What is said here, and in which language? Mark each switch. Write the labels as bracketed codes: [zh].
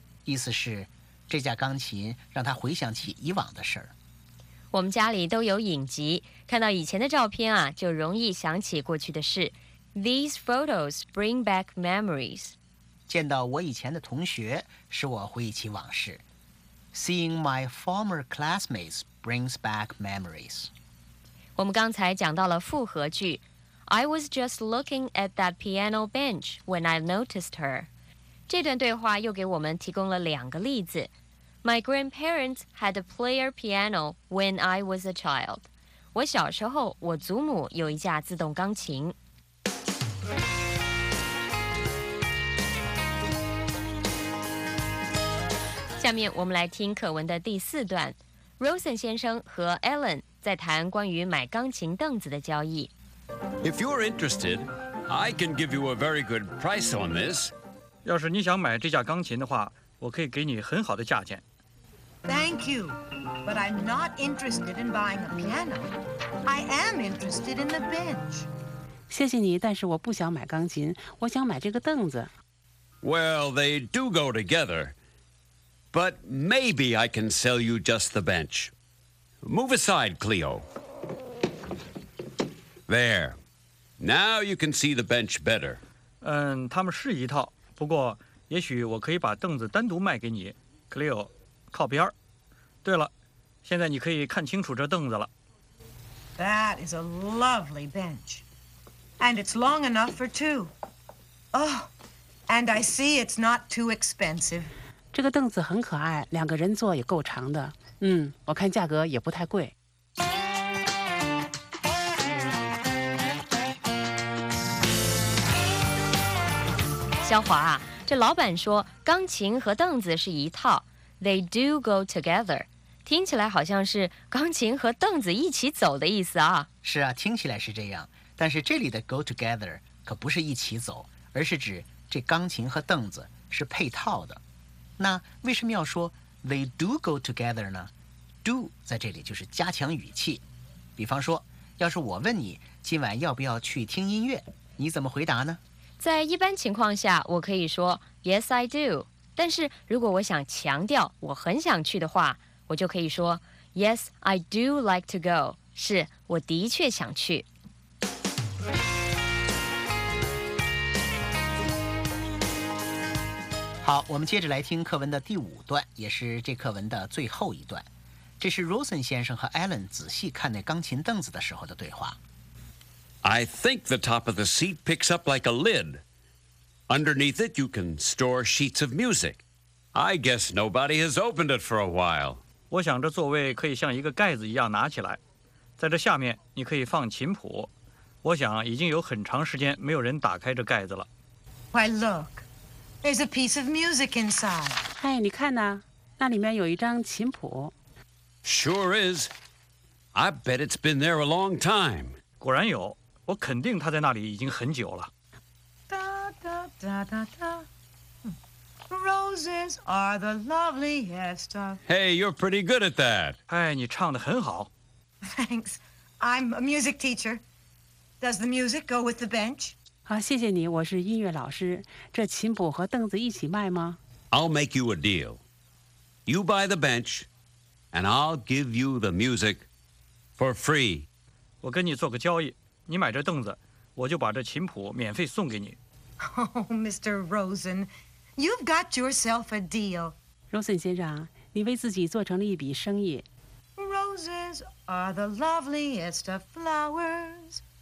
[zh] 意思是这架钢琴让他回想起以往的事。我们家里都有影集，看到以前的照片啊，就容易想起过去的事。 [en] These photos bring back memories. [zh] 见到我以前的同学，使我回忆起往事。 [en] Seeing my former classmates brings back memories. [zh] 我们刚才讲到了复合句。 [en] I was just looking at that piano bench when I noticed her. [zh] 这段对话又给我们提供了两个例子。 [en] My grandparents had a player piano when I was a child. [zh] 我小时候，我祖母有一架自动钢琴。下面我们来听课文的第四段。Rosen 先生和 Alan 在谈关于买钢琴凳子的交易。 [en] If you're interested, I can give you a very good price on this. [zh] 要是你想买这架钢琴的话，我可以给你很好的价钱。 [en] Thank you, but I'm not interested in buying a piano. I am interested in the bench. [zh] 谢谢你，但是我不想买钢琴，我想买这个凳子。 [en] Well, they do go together, but maybe I can sell you just the bench. Move aside, Cleo. There. Now you can see the bench better. [zh] 嗯，他们是一套，不过也许我可以把凳子单独卖给你。 Cleo， 靠边。对了，现在你可以看清楚这凳子了。 [en] That is a lovely bench. And it's long enough for two. Oh, and I see it's not too expensive. [zh] 这个凳子很可爱，两个人坐也够长的。嗯，我看价格也不太贵。肖华啊，这老板说钢琴和凳子是一套， [en] They do go together， [zh] 听起来好像是钢琴和凳子一起走的意思啊。是啊，听起来是这样，但是这里的 [en] go together [zh] 可不是一起走，而是指这钢琴和凳子是配套的。那为什么要说 [en] They do go together [zh] 呢？ Do 在这里就是加强语气。比方说，要是我问你今晚要不要去听音乐，你怎么回答呢？在一般情况下我可以说 [en] Yes, I do， [zh] 但是如果我想强调我很想去的话，我就可以说 [en] Yes, I do like to go， [zh] 是我的确想去。好，我们接着来听课文的第五段，也是这课文的最后一段。这是 Rosen 先生和 Alan 仔细看那钢琴凳子的时候的对话。 [en] I think the top of the seat picks up like a lid. Underneath it, you can store sheets of music. I guess nobody has opened it for a while. [zh] 我想这座位可以像一个盖子一样拿起来，在这下面你可以放琴谱。我想已经有很长时间没有人打开这盖子了。 [en] Why look? There's a piece of music inside. [zh] 哎，你看呐，那里面有一张琴谱。 [en] Sure is. I bet it's been there a long time. [zh] 果然有，我肯定他在那里已经很久了。 [en] 哒哒哒哒哒 ，Roses are the loveliest of. Hey, you're pretty good at that. [zh] 哎，你唱得很好。 [en] Thanks, I'm a music teacher. Does the music go with the bench? [zh] 好，谢谢你，我是音乐老师。这琴谱和凳子一起卖吗 [en] ？I'll make you a deal. You buy the bench, and I'll give you the music for free. 我跟你做个交易，你买这凳子，我就把这琴谱免费送给你。 Oh, Mr. Rosen, you've got yourself a deal. [zh] Rosen 先生，你为自己做成了一笔生意。 [en] Roses are the loveliest of flowers.